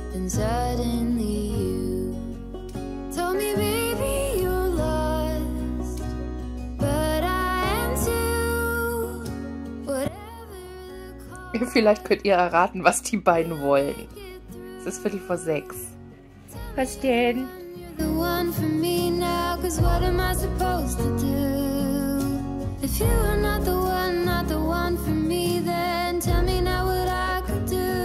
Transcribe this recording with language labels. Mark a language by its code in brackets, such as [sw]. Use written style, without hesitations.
[en] Suddenly you told me, baby, you're lost, but I am too, whatever the cost. [de] Vielleicht könnt ihr erraten, was die beiden wollen. Es ist 6:15. Was denn? [en] The one for me now, cause what am I supposed to do? If you are not the one, not the one for me, then tell me now what I could do.